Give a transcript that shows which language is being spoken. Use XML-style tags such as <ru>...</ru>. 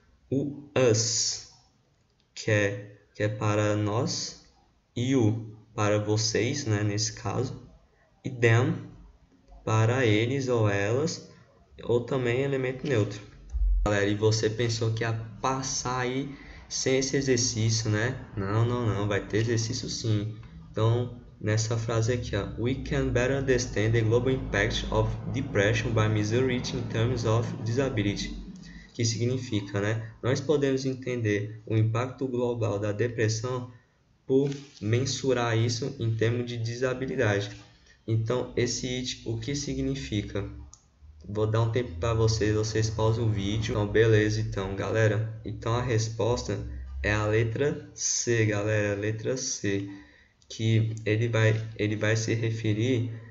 <pt>O us, que é para nós, you para vocês, né, nesse caso, e them para eles ou elas, ou também elemento neutro. Galera, e você pensou que ia passar aí sem esse exercício, né? Não, não, não, vai ter exercício sim. Então, nessa frase aqui, ó,</pt> <en>we can better understand the global impact of depression by measuring it in terms of disability.</en> <pt>Que significa, né? Nós podemos entender o impacto global da depressão por mensurar isso em termos de disabilidade. Então, esse it, o que significa? Vou dar um tempo para vocês, vocês pausam o vídeo. Então, beleza, então, galera. Então, a resposta é a letra C, galera, letra C, que ele vai se referir.</pt>